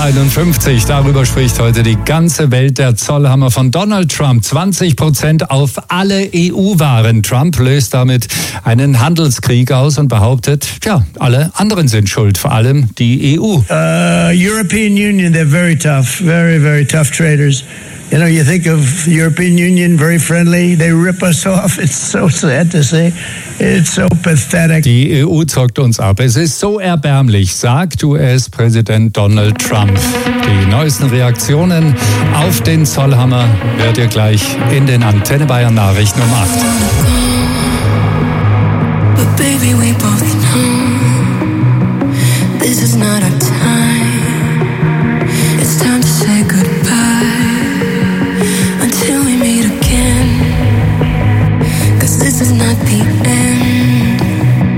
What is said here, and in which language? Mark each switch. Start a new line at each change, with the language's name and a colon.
German: 51, darüber spricht heute die ganze Welt. Der Zollhammer von Donald Trump, 20% auf alle EU-Waren. Trump löst damit einen Handelskrieg aus und behauptet, ja, alle anderen sind schuld, vor allem die EU.
English: European Union, they're very tough, very, very tough traders. You know, you think of the European Union, very friendly, they rip us off, it's so sad to say. It's so pathetic.
German: Die EU zockt uns ab. Es ist so erbärmlich, sagt US-Präsident Donald Trump. Die neuesten Reaktionen auf den Zollhammer hört ihr gleich in den Antenne Bayern Nachrichten um 8.
English: But baby, we both know this is not our time. It's time to say goodbye until we meet again. 'Cause this is not the end.